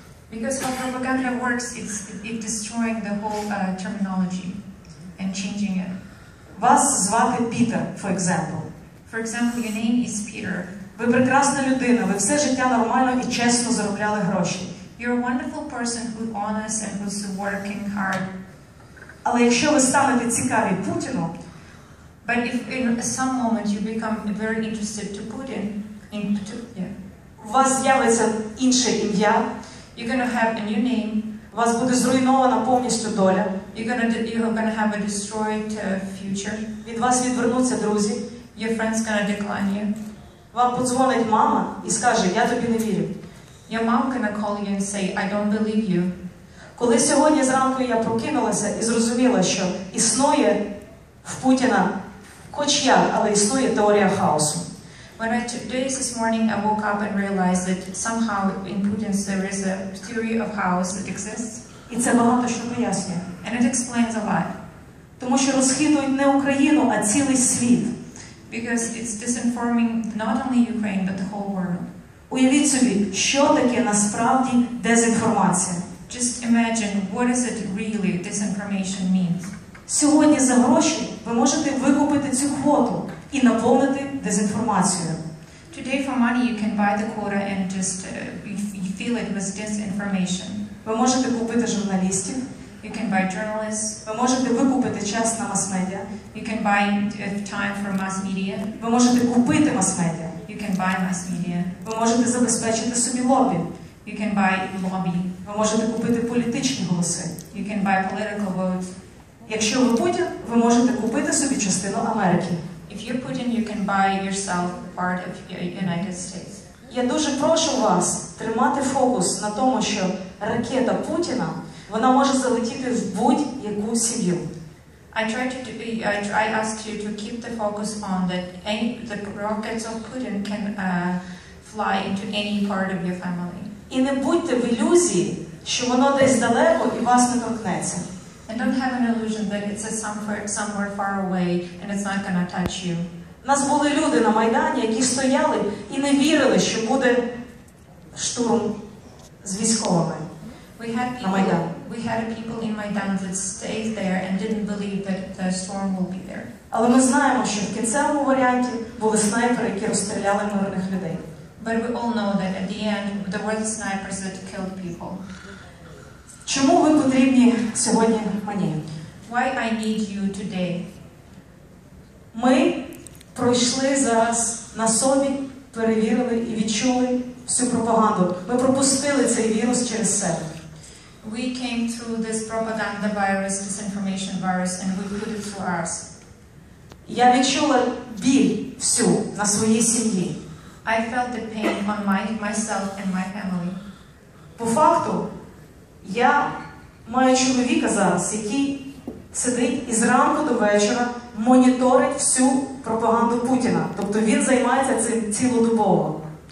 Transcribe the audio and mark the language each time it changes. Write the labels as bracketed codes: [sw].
[en] Because how propaganda works, it's destroying the whole terminology and changing it. [uk] Вас звати Пітер, [en] for example. For example, your name is Peter. [uk] Ви прекрасна людина, ви все життя нормально і чесно заробляли гроші. [en] You're a wonderful person who honors and who's working hard. [uk] Але якщо ви станете цікаві Путіну, [en] but if in some moment you become very interested to Putin, [uk] у вас з'явиться інше ім'я, [en] you're gonna have a new name, [uk] у вас буде зруйнована повністю доля, [en] you're gonna have a destroyed future, [uk] від вас відвернуться друзі, [en] your friends gonna decline you, [uk] вам подзвонить мама і скаже, я тобі не вірю. [en] Your mom gonna call you and say, I don't believe you. [uk] Коли сьогодні зранку я прокинулася і зрозуміла, що існує в Путіна хоч як, але існує теорія хаосу. [en] When I this morning I woke up and realized that somehow in Putin there is a theory of chaos that exists. [uk] І це багато що пояснює. [en] And it explains a lot. [uk] Тому що розхитують не Україну, а цілий світ. [en] Because it's disinforming not only Ukraine, but the whole world. [uk] Уявіть собі, що таке насправді дезінформація. [en] Just imagine, what is it really disinformation means? [uk] Сьогодні за гроші ви можете викупити цю квоту і наповнити дезінформацією. [en] Today for money you can buy the quota and just fill it with disinformation. [uk] Ви можете купити журналістів. [en] You can buy journalists. [uk] Ви можете викупити час на мас-медіа. [en] You can buy time for mass media. [uk] Ви можете купити мас-медіа. [en] You can buy mass media. [uk] Ви можете забезпечити собі лобі. [en] You can buy lobby. [uk] Ви можете купити політичні голоси. [en] You can buy political votes. [uk] Якщо ви Путін, ви можете купити собі частину Америки. [en] If you're Putin, you can buy yourself part of the United States. [uk] Я дуже прошу вас тримати фокус на тому, що ракета Путіна, вона може залетіти в будь-яку сім'ю. [en] I ask you to keep the focus on that the rockets of Putin can fly into any part of your family. [uk] І не будьте в ілюзії, що воно десь далеко і вас не торкнеться. [en] And don't have an illusion that it's somewhere far away and it's not going to touch you. [uk] Нас були люди на Майдані, які стояли і не вірили, що буде штурм з військовими. [en] We had people in Майдан that stayed there and didn't believe that the storm will be there. [uk] Але ми знаємо, що в кінцевому варіанті були снайпери, які розстріляли мирних людей. [en] But we all know that at the end there were the snipers that killed people. [uk] Чому ви потрібні сьогодні мені? [en] Why I need you today? [uk] Ми пройшли зараз на собі, перевірили і відчули всю пропаганду. Ми пропустили цей вірус через себе. [en] We came through this propaganda virus, disinformation virus, and we put it through us. [uk] Я відчула біль всю на своїй сім'ї. [en] I felt the pain on myself and my family. [uk] По факту, я маю чоловіка зараз, який сидить із ранку до вечора, моніторить всю пропаганду Путіна. Тобто він займається цим цілодобово.